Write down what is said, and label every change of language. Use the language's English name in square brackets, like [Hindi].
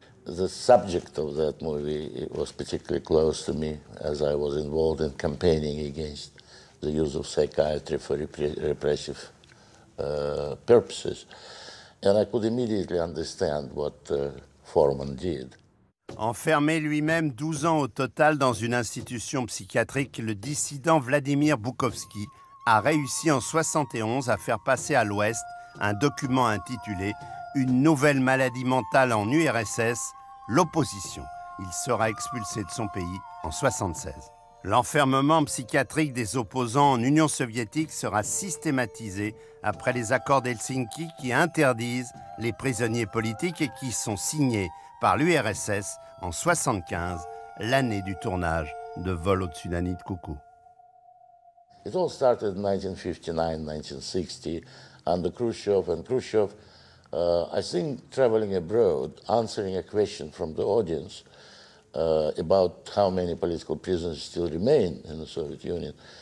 [English] The subject of that movie, it was particularly close to me as I was involved in campaigning against the use of psychiatry for repressive purposes. And I could immediately understand what Forman did. [French] Enfermé lui-même 12 ans au total dans une institution psychiatrique, le dissident Vladimir Bukovsky a réussi en 71 à faire passer à l'Ouest un document intitulé Une nouvelle maladie mentale en URSS, l'opposition. Il sera expulsé de son pays en 76. L'enfermement psychiatrique des opposants en Union soviétique sera systématisé après les accords d'Helsinki qui interdisent les prisonniers politiques et qui sont signés par l'URSS en 75, l'année du tournage de Vol au-dessus d'un nid de coucou. [English] It all started in 1959-1960 under Khrushchev, and Khrushchev, I think, traveling abroad, answering a question from the audience about how many political prisoners still remain in the Soviet Union.